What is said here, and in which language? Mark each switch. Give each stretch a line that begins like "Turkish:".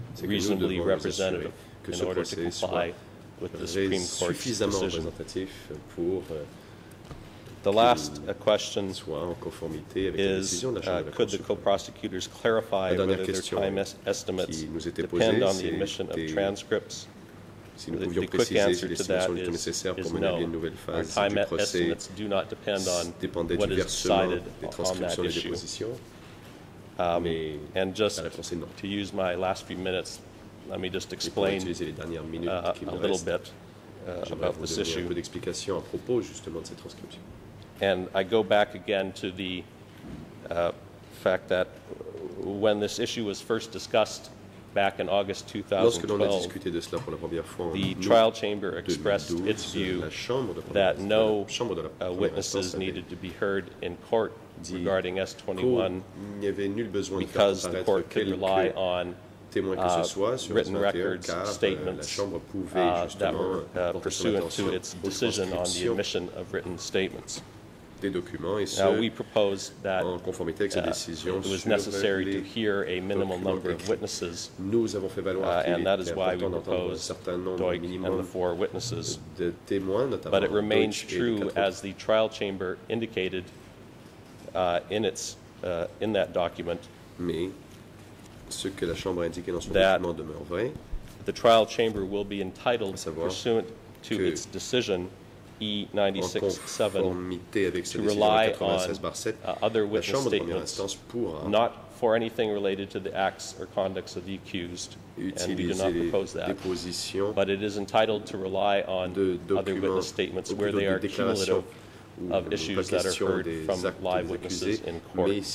English: reasonably representative in order to comply with the Supreme Court's decision.
French: Pour,
English: The last question
French: soit en conformité avec
English: is,
French: la décision de la chambre de la
English: could the co-prosecutors clarify whether their time estimates depend on the admission of transcripts?
French: Si nous pouvions préciser si l'estimation était nécessaire pour mener à bien une nouvelle phase du procès dépendait du versement des transcriptions et des positions.
English: And just to use my last few minutes, let me just explain a little bit about this issue.
French: Un peu d'explication à propos justement de ces transcriptions.
English: And I go back again to the fact that when this issue was first discussed back in August 2012, the trial chamber expressed its view that no witnesses needed to be heard in court regarding S21 because the court could rely on written records, statements that were pursuant to its decision on the admission of written statements. Now, we propose that it was necessary to hear a minimum number of witnesses,
French: nous avons fait valoir
English: and that is why we propose Doig and the four witnesses.
French: De témoins, notamment
English: but it remains true, as the trial chamber indicated in that document,
French: mais ce que la chambre a indiqué dans son document demeure vrai,
English: the trial chamber will be entitled, pursuant to its decision, E96-7 to rely on other witness statements, not for anything related to the acts or conducts of the accused, and we do not propose that, but it is entitled to rely on other witness statements where they are cumulative of issues that are heard from live witnesses in court.